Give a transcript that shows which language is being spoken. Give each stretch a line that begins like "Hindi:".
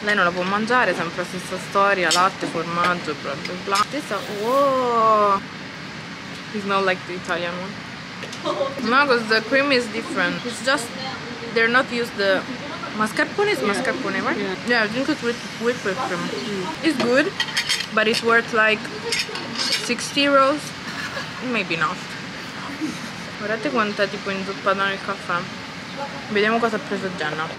Italian: Lei non la può mangiare, sempre la stessa storia, latte, formaggio, bla bla bla. Questa, wow.
English: It's not like the Italian one. No, because the cream is different. It's just they're not used the mascarpone. Is mascarpone, right? Yeah, I think it's with whipped cream. It's good, but it's worth like 60 euros. Maybe not.
Italian: Guardate quanta tipo inzuppata nel caffè. Vediamo cosa ha preso Jenna.